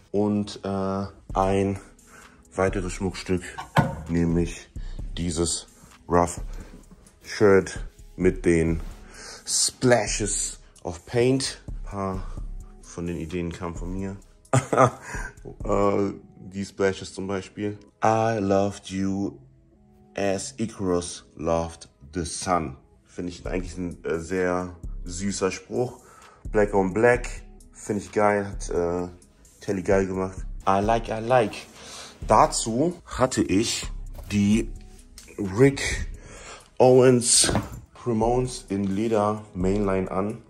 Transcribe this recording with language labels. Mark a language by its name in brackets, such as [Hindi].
[German] Und ein weiteres Schmuckstück, nämlich dieses Rough Shirt mit den [English] Splashes of Paint. [German] Ein paar von den Ideen kamen von mir. die Splashes zum Beispiel. [English] I loved you as Icarus loved the sun. [German] Finde ich eigentlich ein sehr süßer Spruch. [English] Black on Black. [German] Finde ich geil. Hat Telly geil gemacht. [English] I like. [German] Dazu hatte ich die Rick Owens Cremones in Leder Mainline an.